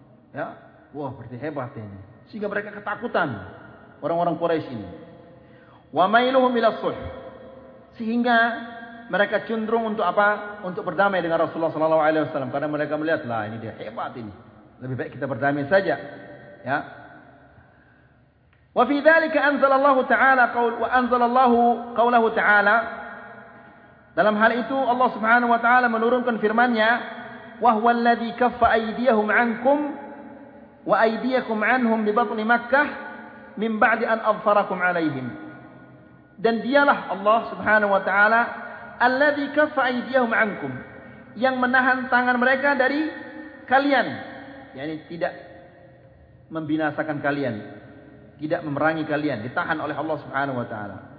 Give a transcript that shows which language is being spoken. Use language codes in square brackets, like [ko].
[id] Ya, wah, berarti hebat ini. Sehingga mereka ketakutan, orang-orang Quraisy ini. [ar] Wa mailuhum ila sulh. [id] Sehingga mereka cenderung untuk apa? Untuk berdamai dengan Rasulullah sallallahu alaihi wasallam, karena mereka melihat, lah, ini dia hebat ini. Lebih baik kita berdamai saja. Ya. [ar] وفي ذلك أنزل الله تعالى قول وأنزل الله قوله تعالى. [id] Dalam hal itu Allah Subhanahu wa taala menurunkan firman-Nya, [ar] وَهُوَ الَّذِي كَفَّ أَيْدِيَهُمْ عَنْكُمْ وَأَيْدِيَكُمْ عَنْهُمْ بِبَطْنِ مَكَّةَ مِنْ بَعْدِ أَنْ أَظْفَرَكُمْ عَلَيْهِمْ. [id] Dan dialah Allah Subhanahu wa taala, [ar] الَّذِي كَفَّ أَيْدِيَهُمْ عَنْكُمْ, [id] yang menahan tangan mereka dari kalian, yakni tidak membinasakan kalian, tidak memerangi kalian, ditahan oleh Allah Subhanahu wa taala.